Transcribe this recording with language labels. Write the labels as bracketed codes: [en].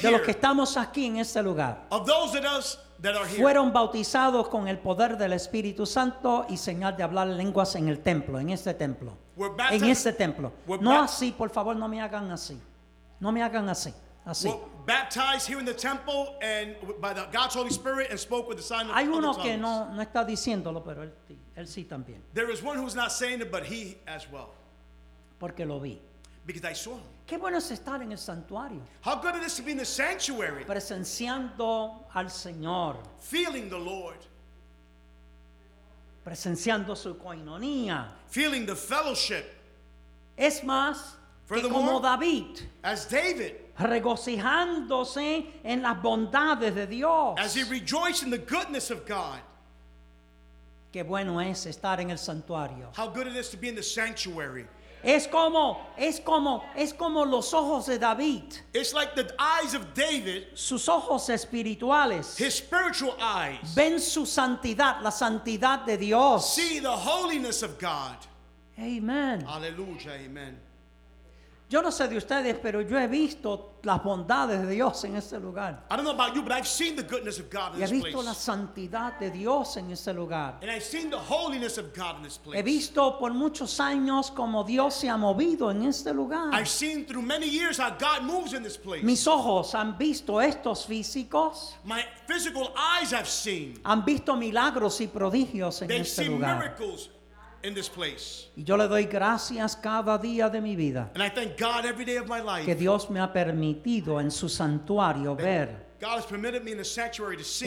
[es] de los que estamos aquí en este lugar, [en] of those that us that are here, [es] fueron bautizados con el poder del Espíritu Santo y señal de hablar lenguas en el templo, en este templo, en este templo? No así, por favor, no me hagan así. No me hagan así. Así. [en] We're baptized here in the temple and by the God's Holy Spirit and spoke with the sign of tongues. [es] Hay uno que no está diciéndolo, pero él sí también. [en] There is one who's not saying it, but he as well. [es] Porque lo vi. [en] Because I saw him. [es] Qué bueno es estar en el santuario. [en] How good it is to be in the sanctuary. [es] Presenciando al Señor. [en] Feeling the Lord. [es] Presenciando su coinonía. [en] Feeling the fellowship. [es] Es más, que como David. [en] As David. [es] Regocijándose en las bondades de Dios. [en] As he rejoiced in the goodness of God. [es] Qué bueno es estar en el santuario. [en] How good it is to be in the sanctuary. [es] Es como los ojos de David. [en] It's like the eyes of David. [es] Sus ojos espirituales. [en] His spiritual eyes. [es] Ven su santidad, la santidad de Dios. [en] See the holiness of God. Amen. Aleluya, amen. [es] Yo no sé de ustedes, pero yo he visto las bondades de Dios en este lugar. [en] I don't know about you, but I've seen the goodness of God in this place. [es] He visto la santidad de Dios en este lugar. [en] And I've seen the holiness of God in this place. [es] He visto por muchos años como Dios se ha movido en este lugar. [en] I've seen through many years how God moves in this place. [es] Mis ojos han visto estos físicos. [en] My physical eyes have seen. [es] Han visto milagros y prodigios en [en] They've [es] este lugar. [en] They've seen miracles. In this place. [es] Y yo le doy gracias cada día de mi vida. [en] And I thank God every day of my life. [es] Que Dios me ha permitido en su santuario ver. [en] God has permitted me in the sanctuary to see.